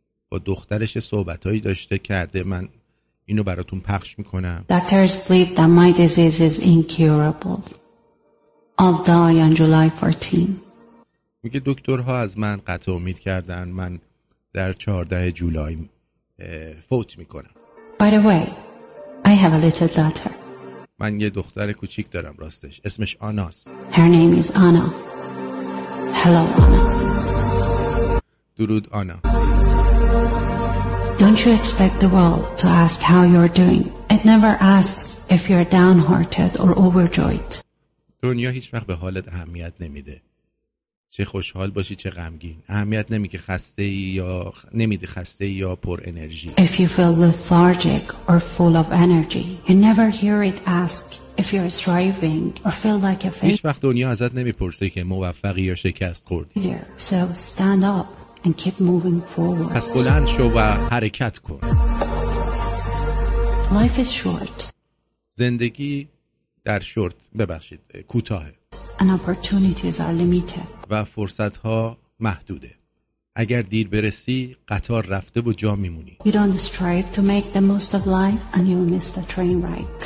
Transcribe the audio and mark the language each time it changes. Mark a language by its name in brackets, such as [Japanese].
[Persian] با دخترش صحبتایی داشته کرده، من اینو براتون پخش میکنم. [English] Doctors believe that my disease is incurable. I'll die on July 14. [Persian] میگه دکترها از من قطع امید کردن، من در 14 جولای فوت میکنم. [English] By the way, I have a little daughter. [Persian] من یه دختر کوچیک دارم راستش، اسمش آناست. [English] Her name is Anna. Hello Anna. [Persian] درود آنا. [English] Don't you expect the world to ask how you're doing? It never asks if you're downhearted or overjoyed. [Persian] دنیا هیچ وقت به حالت اهمیت نمیده. چه خوشحال باشی چه غمگین، اهمیت نمیگه خسته ای یا نمیده خسته ای یا پر انرژی. [English] If you feel lethargic or full of energy, you never hear it ask if you're thriving or feel like a failure. [Persian] هیچ وقت دنیا ازت نمیپرسه که موفقی یا شکست خوردی. [English] So stand up and keep moving forward. [Persian] پس بلند شو و حرکت کن. [English] Life is short. [Persian] زندگی در شورت، ببخشید، کوتاهه. [English] And opportunities are limited. [Persian] و فرصت‌ها محدوده. اگر دیر برسی، قطار رفته و جا می‌مونی. [English] You don't strive to make the most of life and you'll miss the train ride.